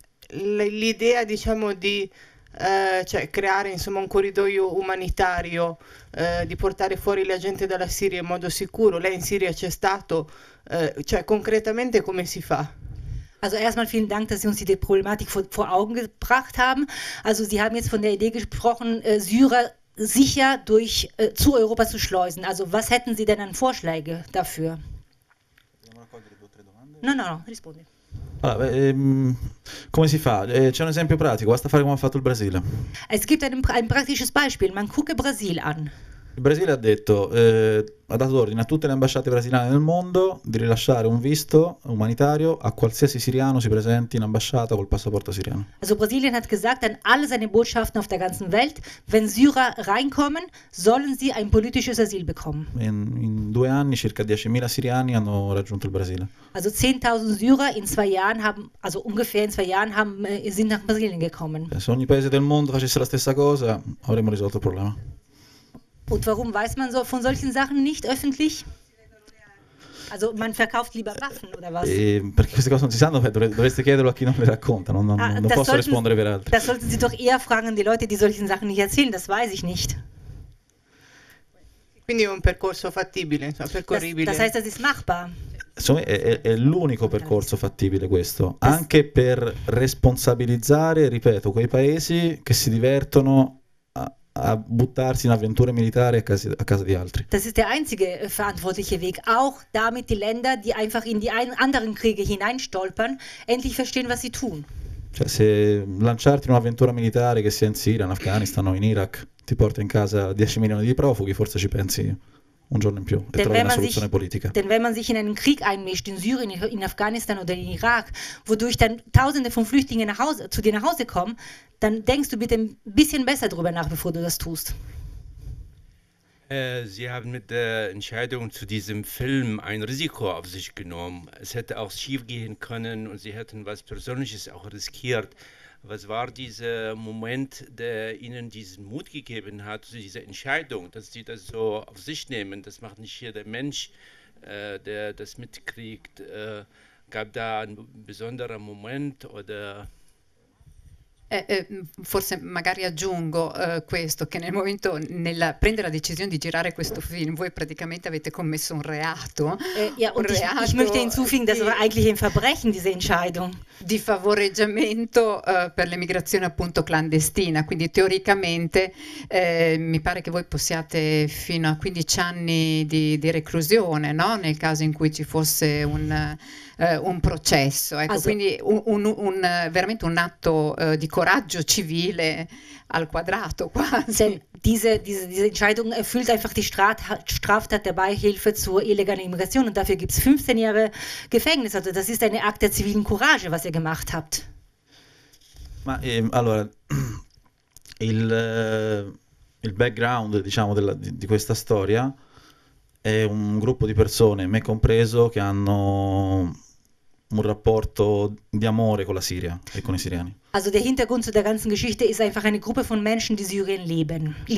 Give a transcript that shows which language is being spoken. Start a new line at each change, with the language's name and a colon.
Italian: L'idea, diciamo, di cioè, creare, insomma, un corridoio umanitario, di portare fuori la gente dalla Siria in modo sicuro. Lei in Siria c'è stato, cioè, concretamente come si fa?
German: Also erstmal vielen Dank, dass Sie uns die Problematik vor Augen gebracht haben. Also Sie haben jetzt von der Idee gesprochen, Syrer sicher durch zu Europa zu schleusen. Also was hätten Sie denn an Vorschläge dafür?
Italian: No, rispondi. Ah, beh, come si fa? C'è un esempio pratico, basta fare come ha fatto il Brasile.
German: Es gibt ein praktisches Beispiel, man gucke Brasil an.
Italian: Il Brasile ha dato ordine a tutte le ambasciate brasiliane nel mondo di rilasciare un visto umanitario a qualsiasi siriano si presenti in ambasciata col passaporto siriano.
German: Also Brasilien hat gesagt an alle seine Botschaften auf der ganzen Welt, wenn Syrer reinkommen, sollen sie ein politisches Asyl bekommen.
Italian: In 2 anni circa 10.000 siriani hanno raggiunto il Brasile.
German: Also 10.000 Syrer in 2 Jahren haben, also ungefähr in 2 Jahren haben, sind nach Brasilien gekommen.
Italian: Se ogni paese del mondo facesse la stessa cosa, avremmo risolto il problema.
German: Und warum weiß man so von solchen Sachen nicht öffentlich? Also man verkauft lieber Waffen oder was?
Italian: Perché queste cose non si sanno, dovreste chiederlo a chi non le racconta, non posso rispondere per altri.
German: Das sollten Sie doch eher fragen, die Leute, die solchen Sachen nicht erzählen, das weiß ich nicht.
Italian: Quindi è un percorso fattibile, insomma, percorribile.
German: Das heißt, das ist machbar.
Italian: Insomma, è l'unico percorso fattibile questo, anche per responsabilizzare, ripeto, quei paesi che si divertono a buttarsi in avventure militari a casa di altri.
German: Das ist der einzige verantwortliche Weg, auch damit die Länder, die einfach in die anderen Kriege hineinstolpern, endlich verstehen, was sie tun.
Italian: Cioè, se lanciarti in un'avventura militare che sia in Siria, in Afghanistan o in Iraq, ti porta in casa 10 milioni di profughi, forse ci pensi un giorno in più e trovi una soluzione politica.
German: Denn wenn man sich in einen Krieg einmischt, in Syrien, in Afghanistan oder in Irak, wodurch dann tausende von Flüchtlingen zu dir nach Hause kommen, dann denkst du bitte ein bisschen besser darüber nach, bevor du das tust. Sie haben mit der Entscheidung zu diesem Film ein Risiko auf sich genommen. Es hätte auch schief gehen können und Sie hätten was Persönliches auch riskiert. Was war dieser Moment, der Ihnen diesen Mut gegeben hat, diese Entscheidung, dass Sie das so auf sich nehmen? Das macht nicht jeder Mensch, der das mitkriegt. Gab da ein besonderer Moment oder?
Italian: Forse magari aggiungo questo, che nel momento nel prendere la decisione di girare questo film voi praticamente avete commesso un reato.
German: Ich möchte hinzufügen, das war eigentlich ein Verbrechen, diese Entscheidung.
Italian: Di favoreggiamento per l'immigrazione appunto clandestina, quindi teoricamente mi pare che voi possiate fino a 15 anni di reclusione, no? Nel caso in cui ci fosse un processo, ecco, also, quindi veramente un atto di coraggio civile al quadrato quasi.
German: Diese Entscheidung erfüllt einfach die Straftat der Beihilfe zur illegalen Immigration und dafür gibt es 15 Jahre Gefängnis, also das ist ein Akt der zivilen Courage, was ihr gemacht habt.
Italian: Ma allora il background, diciamo, di questa storia è un gruppo di persone, me compreso, che hanno un rapporto di amore con la Siria e con i siriani.
German: Also der Hintergrund zu der ganzen Geschichte ist einfach eine Gruppe von Menschen, die Syrien lieben.